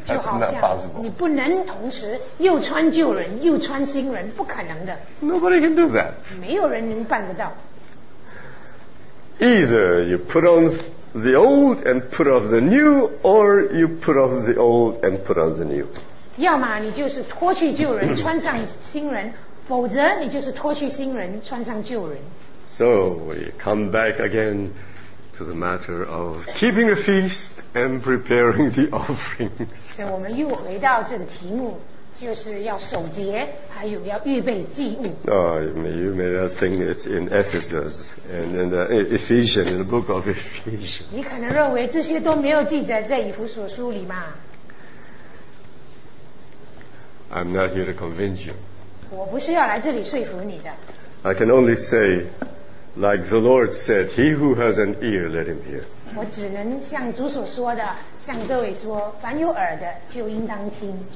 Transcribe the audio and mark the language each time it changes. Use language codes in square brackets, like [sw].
[en] That's not possible. [zh] 你不能同时又穿旧人又穿新人，不可能的。 [en] Nobody can do that. [zh] 没有人能办得到。 [en] Either you put on the old and put off the new, or you put off the old and put on the new. [zh] 要么你就是脱去旧人穿上新人，否则你就是脱去新人穿上旧人。 [en] So we come back again to the matter of keeping a feast and preparing the offerings. [zh] 我们又回到这个题目，就是要守节，还有要预备祭物。 [en] Oh, you may not think it's in Ephesus and in the Ephesians, in the book of Ephesians. [zh] 你可能认为这些都没有记载在以弗所书里嘛。 [en] I'm not here to convince you. [zh] 我不是要来这里说服你的。 [en] I can only say, like the Lord said, he who has an ear, let him hear. [zh] 我只能像主所说的，向各位说，凡有耳的就应当听。